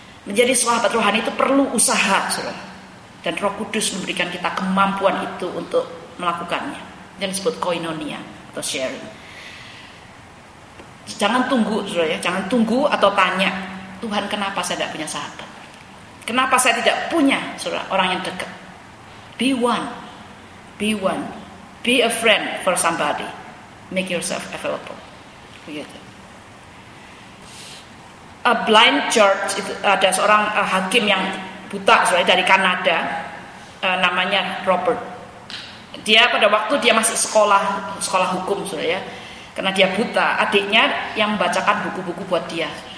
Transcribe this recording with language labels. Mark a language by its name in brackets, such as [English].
[Indonesian] Menjadi sahabat rohani itu perlu usaha, saudara. Dan Roh Kudus memberikan kita kemampuan itu untuk melakukannya. Yang disebut koinonia atau sharing. Jangan tunggu, saudara ya. Jangan tunggu atau tanya, "Tuhan, kenapa saya tidak punya sahabat? Kenapa saya tidak punya, saudara, orang yang dekat?" [English] Be one. Be a friend for somebody. Make yourself available. [Indonesian] Begitu. [English] A blind judge, [Indonesian] itu ada seorang hakim yang buta, saudara, dari Kanada, namanya Robert. Dia pada waktu dia masih sekolah hukum, saudara ya. Karena dia buta, adiknya yang membacakan buku-buku buat dia.